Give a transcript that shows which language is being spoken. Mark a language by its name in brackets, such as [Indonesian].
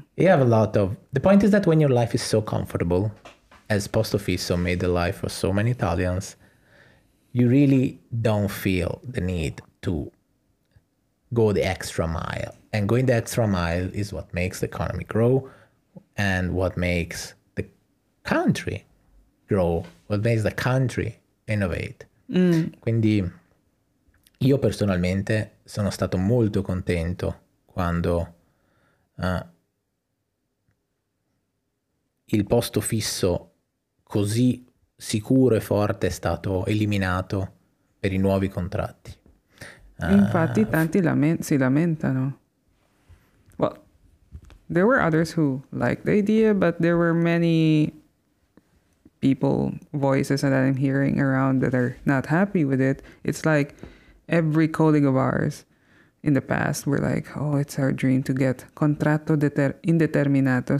[English] you have a lot of, the point is that when your life is so comfortable, as Post Office made the life of so many Italians, you really don't feel the need to go the extra mile. And going the extra mile is what makes the economy grow and what makes the country grow, what makes the country innovate. Mm. [Italian] Quindi io personalmente sono stato molto contento quando il posto fisso così sicuro e forte è stato eliminato per i nuovi contratti. Infatti tanti si lamentano. [English] Well, there were others who liked the idea, but there were many people, voices that I'm hearing around that are not happy with it. It's like every colleague of ours in the past were like, oh, it's our dream to get contratto indeterminato.